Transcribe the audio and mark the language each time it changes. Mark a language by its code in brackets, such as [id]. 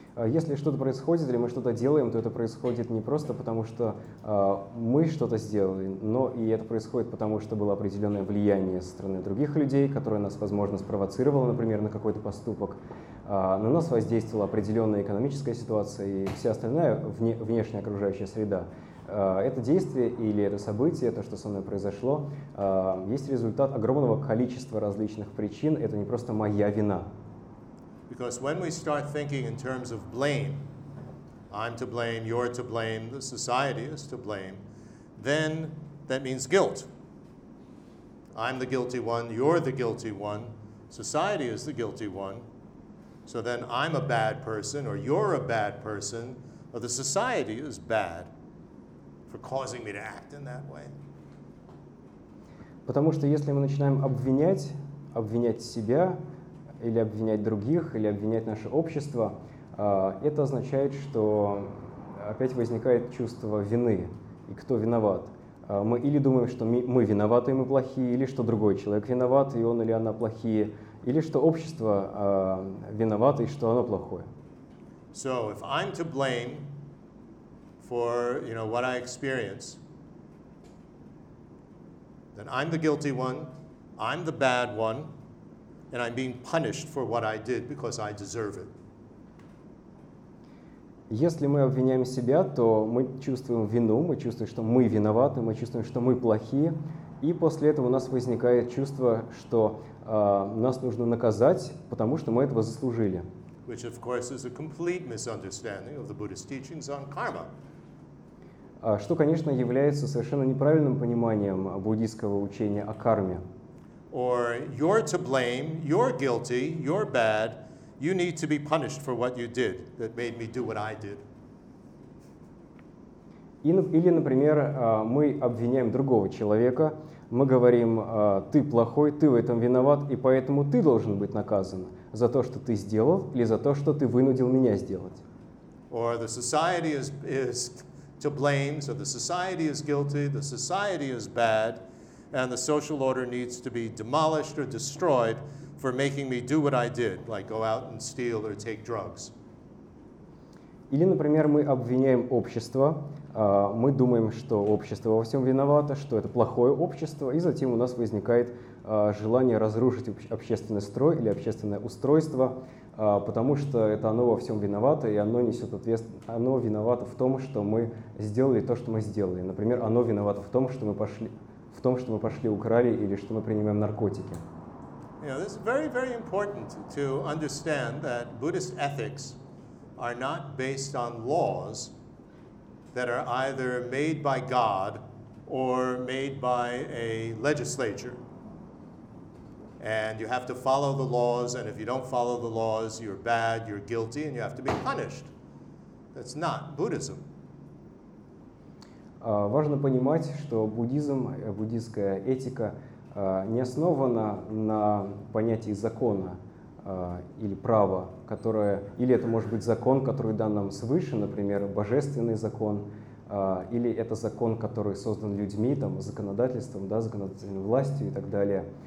[ru] Если что-то происходит, или мы что-то делаем, то это происходит не просто потому, что мы что-то сделали, но и это происходит потому, что было определенное влияние со стороны других людей, которое нас, возможно, спровоцировало, например, на какой-то поступок. На нас воздействовала определенная экономическая ситуация и вся остальная внешняя окружающая среда. Это действие или это событие, то, что со мной произошло, есть результат огромного количества различных причин. Это не просто моя вина. [en] Because when we start thinking in terms of blame, I'm to blame, you're to blame, the society is to blame, then that means guilt. I'm the guilty one, you're the guilty one, society is the guilty one. So then I'm a bad person, or you're a bad person, or the society is bad for causing me to act in that way. [ru] Потому что если мы начинаем обвинять себя, или обвинять других, или обвинять наше общество, это означает, что опять возникает чувство вины. И кто виноват? Мы или думаем, что мы виноваты, и мы плохие, или что другой человек виноват, и он или она плохие, или что общество виновато, и что оно плохое. [en] So, if I'm to blame for, you know, what I experience, then I'm the guilty one, I'm the bad one, and I'm being punished for what I did because I deserve it. [ru] Если мы обвиняем себя, то мы чувствуем вину, мы чувствуем, что мы виноваты, мы чувствуем, что мы плохие, и после этого у нас возникает чувство, что нас нужно наказать, потому что мы этого заслужили. [en] Which of course is a complete misunderstanding of the Buddhist teachings on karma. [ru] Что, конечно, является совершенно неправильным пониманием буддийского учения о карме. [en] Or you're to blame, you're guilty, you're bad, you need to be punished for what you did that made me do what I did. [ru] Или, например, мы обвиняем другого человека, мы говорим, ты плохой, ты в этом виноват, и поэтому ты должен быть наказан за то, что ты сделал, или за то, что ты вынудил меня сделать. [en] Or the society is to blame, so the society is guilty, the society is bad, and the social order needs to be demolished or destroyed for making me do what I did, like go out and steal or take drugs. [ru] Или, например, мы обвиняем общество, мы думаем, что общество во всем виновато, что это плохое общество, и затем у нас возникает желание разрушить общественный строй или общественное устройство, потому что это оно во всем виновато, и оно несет ответственность. Оно виновато в том, что мы сделали то, что мы сделали. Например, оно виновато в том, что мы пошли украли или что мы принимаем наркотики. [en] You know, this is very, very important to understand that Buddhist ethics are not based on laws that are either made by God or made by a legislature. And you have to follow the laws, and if you don't follow the laws, you're bad, you're guilty, and you have to be punished. That's not Buddhism. [ru] Важно понимать, что буддизм, буддийская этика не основана на понятии закона или права, которое, или это может быть закон, который дан нам свыше, например, божественный закон, или это закон, который создан людьми, там, законодательством, да, законодательной властью и так далее.